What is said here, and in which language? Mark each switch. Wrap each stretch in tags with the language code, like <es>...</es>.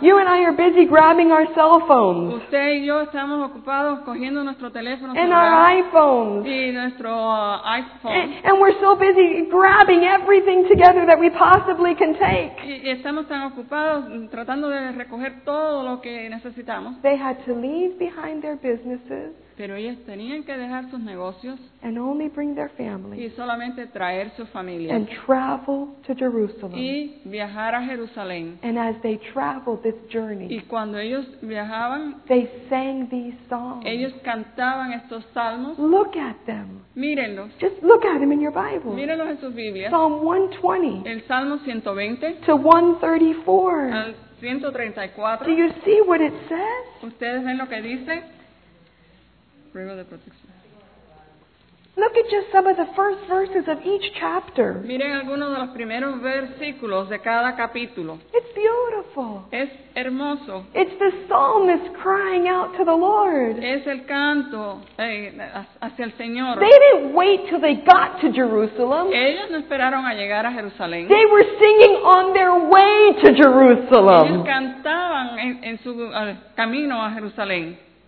<en>You and I are busy grabbing our cell phones.</en> <es>Usted y yo estamos ocupados cogiendo nuestro teléfono</es> <en>and</en> <es>celular.</es> <en>Our iPhones.</en> <es>Y nuestro iPhone.</es> <en>And we're so busy grabbing everything together that we possibly can take.</en> <es>Y estamos tan ocupados tratando de recoger todo lo que necesitamos.</es> <en>They had to leave behind their businesses.</en> <es>Pero ellos tenían que dejar sus negocios</es> <en>and only bring their family</en> <es>y solamente traer su familia</es> <en>and travel to Jerusalem.</en> <es>Y viajar a Jerusalén.</es> <en>And as they traveled this journey,</en> <es>y cuando ellos viajaban,</es> <en>they sang these songs.</en> <es>Ellos cantaban estos salmos.</es> <en>Look at them.</en> <es>Mírenlos.</es> <en>Just look at them in your Bible.</en> <es>Mírenlos en sus Biblias.</es> <en>Psalm 120.</en> <es>El Salmo 120.</es> <en>To 134.</en> <es>Al 134.</es> <en>Do you see what it says?</en> <es>¿Ustedes ven lo que dice?</es> <en>Look at just some of the first verses of each chapter.</en> <es>Miren algunos de los primeros versículos de cada capítulo.</es> <en>It's beautiful.</en> <es>Es hermoso.</es> <en>It's the psalmist crying out to the Lord.</en> <es>Es el canto hacia el Señor.</es> <en>They didn't wait till they got to Jerusalem.</en> <es>Ellos no esperaron a llegar a Jerusalén.</es> <en>They were singing on their way to Jerusalem.</en> <es>Ellos cantaban en su camino a Jerusalén.</es>